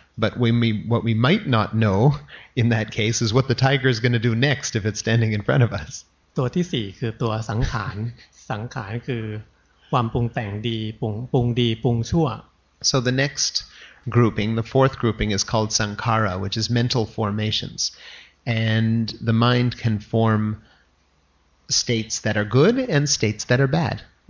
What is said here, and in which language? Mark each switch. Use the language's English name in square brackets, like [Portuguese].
[English] But what we might not know in that case is what the tiger is going to do next if it's standing in front of us. [Thai] ตัวที่สี่คือตัวสังขารสังขารคือความปรุงแต่งดีปรุงดีปรุงชั่ว [English] So the nextGrouping, the fourth grouping is called sankhara, which is mental formations. And the mind can form states that are good and states that are bad.